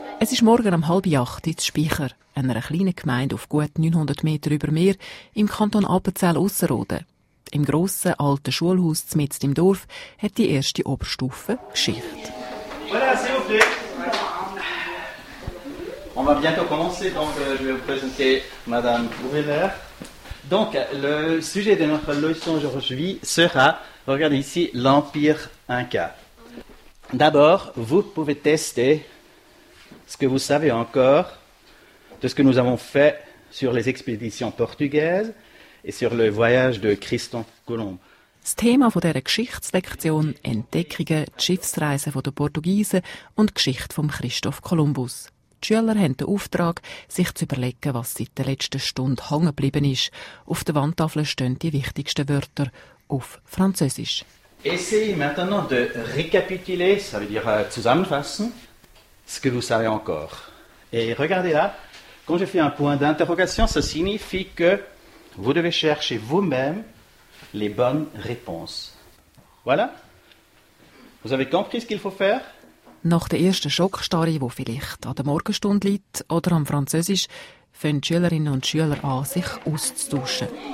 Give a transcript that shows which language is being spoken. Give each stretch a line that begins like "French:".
German: ist morgen um 7:30 in Speicher, einer kleinen Gemeinde auf gut 900 Meter über Meer im Kanton Appenzell-Ausserrhoden. Im grossen, alten Schulhaus mitten im Dorf hat die erste Oberstufe Geschichte.
French: Voilà, s'il vous plaît. On va bientôt commencer, donc je vais vous présenter Madame Brunner. Donc, le sujet de notre leçon aujourd'hui sera, regardez ici, l'Empire Inca. D'abord, vous pouvez tester ce que vous savez encore de ce que nous avons fait sur les expéditions portugaises et sur le voyage de Christophe Colomb.
German: Das Thema dieser Geschichtslektion: Entdeckungen, die Schiffsreisen der Portugiesen und die Geschichte von Christoph Kolumbus. Die Schüler haben den Auftrag, sich zu überlegen, was seit der letzten Stunde hängen geblieben ist. Auf der Wandtafel stehen die wichtigsten Wörter auf Französisch.
French: Essayez maintenant de récapituler, ça veut dire zusammenfassen, ce que vous savez encore. Et regardez là, quand je fais un point d'interrogation, ça signifie que vous devez chercher vous-même les bonnes réponses. Voilà. Vous avez compris ce qu'il faut faire?
German: Nach der ersten Schockstarre, die vielleicht an der Morgenstunde liegt oder am Französisch, fangen Schülerinnen und Schüler an, sich auszutauschen.